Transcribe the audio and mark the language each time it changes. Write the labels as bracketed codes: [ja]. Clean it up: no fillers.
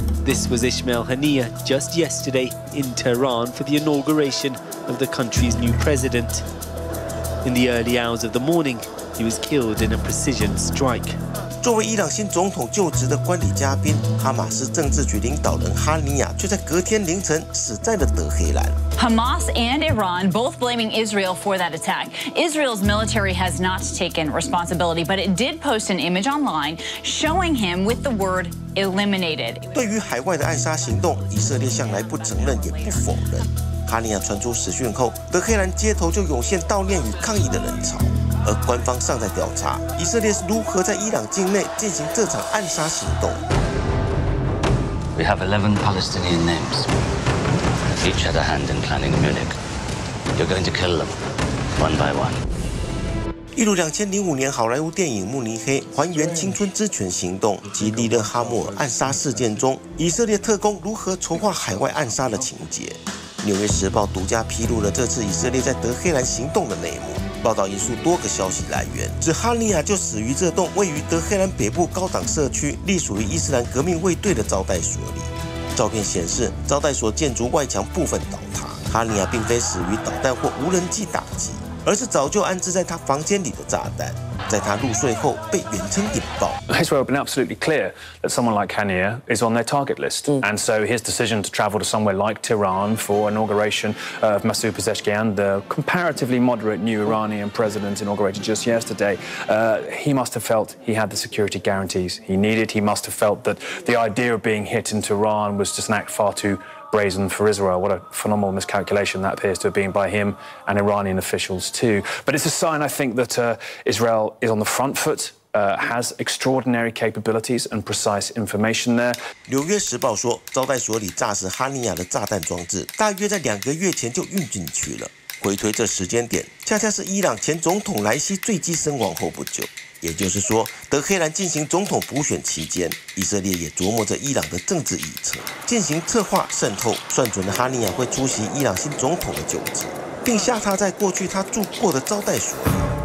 [en] This was Ismail Haniyeh just yesterday in Tehran for the inauguration of the country's new president. In the early hours of the morning, he was killed in a precision strike. [zh] 作为伊朗新总统就职的观礼嘉宾，哈马斯政治局领导人哈尼亚却在隔天凌晨死在了德黑兰。 [en] Hamas and Iran both blaming Israel for that attack. Israel's military has not taken responsibility, but it did post an image online showing him with the word eliminated. [zh] 对于海外的暗杀行动，以色列向来不承认也不否认。哈尼亚传出死讯后，德黑兰街头就涌现悼念与抗议的人潮，而官方尚在调查以色列是如何在伊朗境内进行这场暗杀行动。 [en] We have 11 Palestinian names. Each had a hand in planning Munich. You're going to kill them one by one. [zh] 一如2005年好莱坞电影《慕尼黑》还原青春之拳行动及利勒哈默尔暗杀事件中，以色列特工如何筹划海外暗杀的情节。 《纽约时报》独家披露了这次以色列在德黑兰行动的内幕。报道引述多个消息来源，指哈尼亚就死于这栋位于德黑兰北部高档社区、隶属于伊斯兰革命卫队的招待所里。照片显示招待所建筑外墙部分倒塌，哈尼亚并非死于导弹或无人机打击，而是早就安置在他房间里的炸弹，在他入睡后被远程引爆。 [en] Israel has been absolutely clear that someone like Hania is on their target list, and so his decision to travel to somewhere like Tehran for inauguration of Masoud Pezeshkian, the comparatively moderate new Iranian president inaugurated just yesterday, he must have felt he had the security guarantees he needed. He must have felt that the idea of being hit in Tehran was just an act far too. Brazen for Israel. What a phenomenal miscalculation that appears to have been by him and Iranian officials too. But it's a sign, I think, that Israel is on the front foot, has extraordinary capabilities and precise information there. [zh] 纽约时报说，招待所里炸死哈尼亚的炸弹装置，大约在两个月前就运进去了。回推这时间点，恰恰是伊朗前总统莱西坠机身亡后不久。也就是说，德黑兰进行总统补选期间，以色列也琢磨着伊朗的政治议程，进行策划渗透，算准了哈尼亚会出席伊朗新总统的就职，并下榻在过去他住过的招待所。